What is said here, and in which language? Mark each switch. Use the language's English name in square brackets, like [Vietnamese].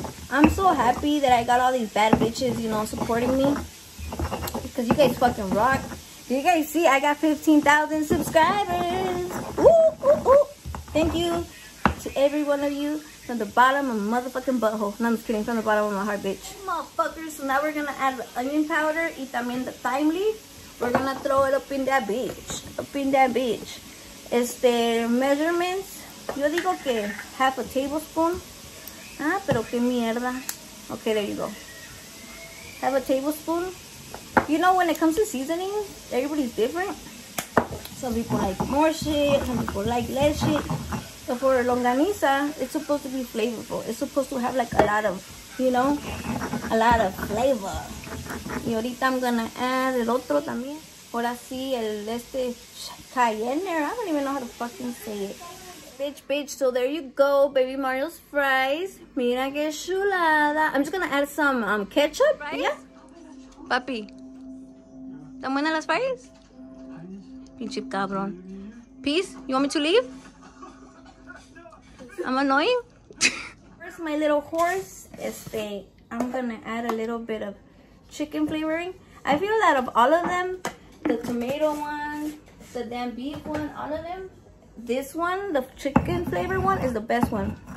[English] I'm so happy that I got all these bad bitches, you know, supporting me. Because you guys fucking rock. You guys see, I got 15,000 subscribers. Woo, woo, woo. Thank you to every one of you from the bottom of my motherfucking butthole. No, I'm just kidding. From the bottom of my heart, bitch. Motherfuckers. So now we're going to add the onion powder [Spanish] y también [English] the thyme leaf. We're going to throw it up in that bitch. Up in that bitch. Este, measurements. [Spanish] Yo digo que [English] half a tablespoon. [Spanish] Ah, pero qué mierda. [English] Okay, there you go. Have a tablespoon. You know, when it comes to seasoning, everybody's different. Some people like more shit. Some people like less shit. But for longaniza, it's supposed to be flavorful. It's supposed to have like a lot of, you know, a lot of flavor. [Spanish] Y ahorita [English] I'm gonna add [Spanish] el otro también. Ahora sí, el este cayenne. [English] I don't even know how to fucking say it. Bitch, bitch, so there you go, baby Mario's fries. [Spanish] Mira que chulada. [English] I'm just gonna add some ketchup, fries? Yeah? [Spanish] Papi, ¿están buenas las fries? Pinche cabrón. [English] Peace, you want me to leave? I'm annoying. First, my little horse, este, I'm gonna add a little bit of chicken flavoring. I feel that of all of them, the tomato one, the damn beef one, all of them, this one, the chicken flavor one, is the best one.